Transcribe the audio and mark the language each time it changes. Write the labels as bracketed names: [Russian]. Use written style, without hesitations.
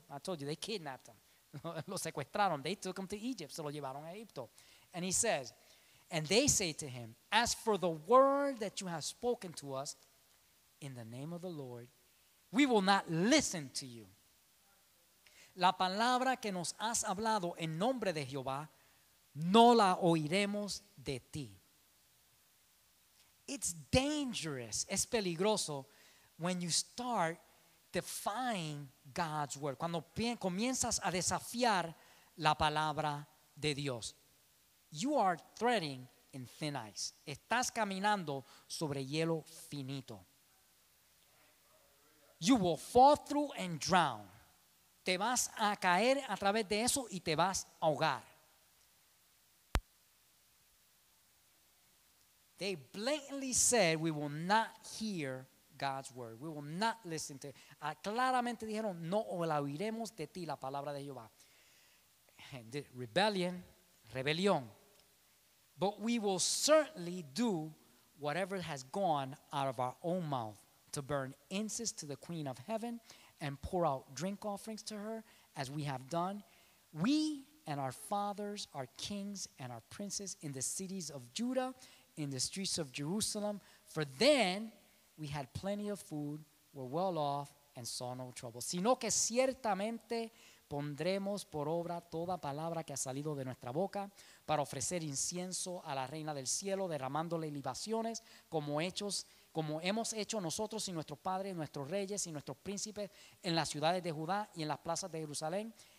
[English] I told you, they kidnapped him. [Spanish] Lo secuestraron. [English] They took him to Egypt. [Spanish] Se lo llevaron a Egipto. [English] And he says, And they say to him, as for the word that you have spoken to us in the name of the Lord, we will not listen to you. [Spanish] La palabra que nos has hablado en nombre de Jehová, no la oiremos de ti. [English] It's dangerous, [Spanish] es peligroso, [English] when you start defying God's word. [Spanish] Cuando comienzas a desafiar la palabra de Dios. [English] You are treading in thin ice. [Spanish] Estás caminando sobre hielo finito. [English] You will fall through and drown. [Spanish] Te vas a caer a través de eso y te vas a ahogar. [English] They blatantly said, we will not hear God's word. We will not listen to it. [Spanish] Claramente dijeron, no la oiremos de ti, la palabra de Jehová. [English] Rebellion, [Spanish] rebelión. [English] But we will certainly do whatever has gone out of our own mouth to burn incense to the queen of heaven and pour out drink offerings to her as we have done. We and our fathers, our kings and our princes in the cities of Judah, in the streets of Jerusalem. For then we had plenty of food, were well off, and saw no trouble. [Spanish] Sino que ciertamente pondremos por obra toda palabra que ha salido de nuestra boca para ofrecer incienso a la reina del cielo, derramándole libaciones como hemos hecho nosotros y nuestros padres, nuestros reyes y nuestros príncipes en las ciudades de Judá y en las plazas de Jerusalén.